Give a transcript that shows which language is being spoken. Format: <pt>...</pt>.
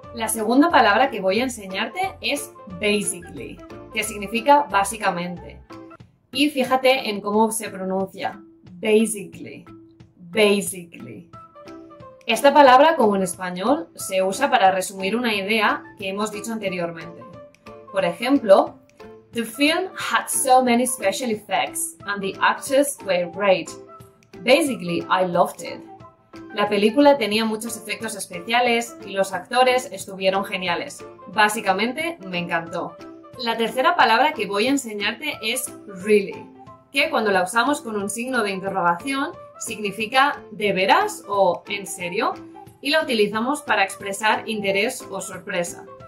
<es>La segunda palabra que voy a enseñarte es basically, que significa básicamente. Y fíjate en cómo se pronuncia. Basically. Basically. Esta palabra, como en español, se usa para resumir una idea que hemos dicho anteriormente. Por ejemplo,</es> <en>the film had so many special effects and the actors were great. Basically, I loved it.</en> <es>La película tenía muchos efectos especiales y los actores estuvieron geniales. Básicamente, me encantó. La tercera palabra que voy a enseñarte es really, que cuando la usamos con un signo de interrogación significa de veras o en serio y la utilizamos para expresar interés o sorpresa.</es>